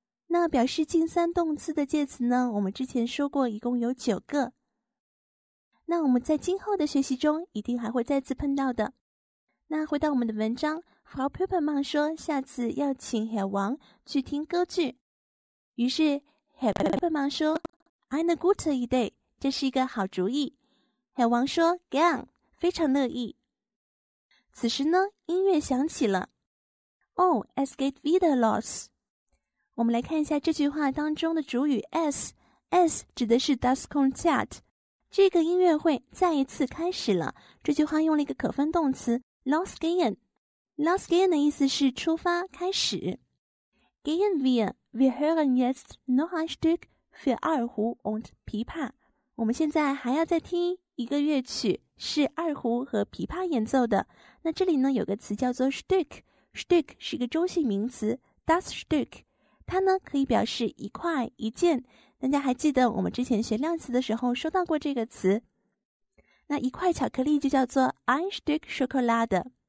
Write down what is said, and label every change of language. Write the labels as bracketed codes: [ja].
[zh] 那表示近三动四的介词呢，我们之前说过一共有九个，那我们在今后的学习中一定还会再次碰到的。那回到我们的文章， Frau Pippermann 说下次要请 Herr Wang 去听歌剧，于是 Herr Pippermann 说 [de] Eine gute Idee， [zh] 这是一个好主意。 Herr Wang 说 Gern，非常乐意。此时呢，音乐响起了。 [de] Oh, es geht wieder los. [zh] 我们来看一下这句话当中的主语 es。 es 指的是 das Konzert。这个音乐会再一次开始了。这句话用了一个可分动词 losgehen。 losgehen 的意思是出发、开始。 [de] Gehen wir hören jetzt noch ein Stück für 二胡 und 琵琶。 [zh] 我们现在还要再听一个乐曲，是二胡和琵琶演奏的。那这里呢有个词叫做 Stück 是一个中性名词 Das Stück， 它呢可以表示一块、一件。大家还记得我们之前学量词的时候说到过这个词，那一块巧克力就叫做 [de] Ein Stück Schokolade。